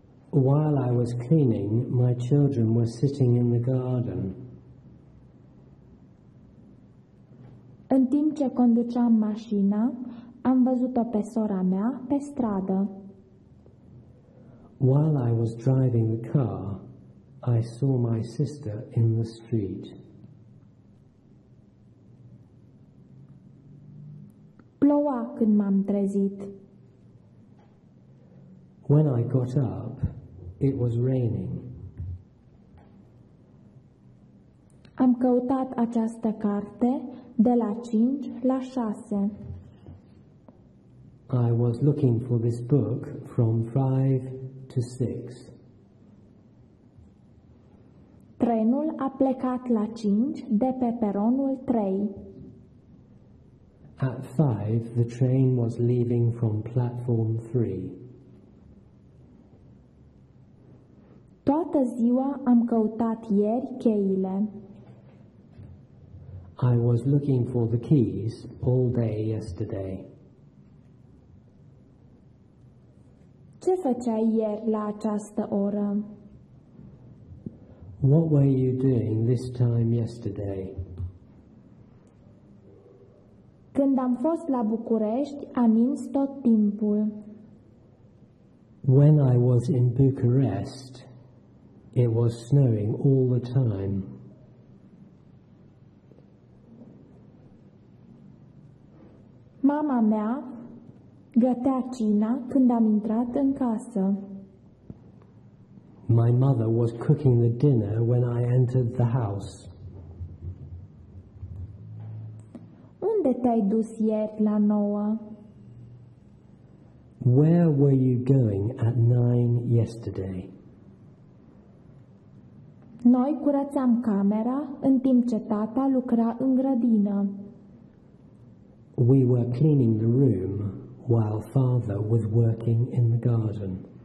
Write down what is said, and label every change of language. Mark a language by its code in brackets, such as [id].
[en] While I was cleaning, my children were sitting in the garden. [ro] În timp ce conduceam mașina, am văzut-o pe sora mea pe stradă. [en] While I was driving the car, I saw my sister in the street. [ro] Ploua când m-am trezit. [en] When I got up, it was raining. [ro] Am căutat această carte de la 5 la 6. [en] I was looking for this book from 5 to 6. [ro] Trenul a plecat la 5 de pe peronul 3. [en] At 5, the train was leaving from platform 3. [ro] Toată ziua am căutat ieri cheile. [en] I was looking for the keys all day yesterday. [ro] Ce făceai ieri la această oră? [en] What were you doing this time yesterday? [ro] Când am fost la București, am mins tot timpul. [en] When I was in Bucharest, it was snowing all the time. [ro] Mama mea gătea cina când am intrat în casă. [en] My mother was cooking the dinner when I entered the house. [ro] Unde te-ai dus ieri la 9? [en] Where were you going at 9 yesterday? [ro] Noi curățam camera în timp ce tata lucra în grădină. [en] We were cleaning the room while father was working in the garden.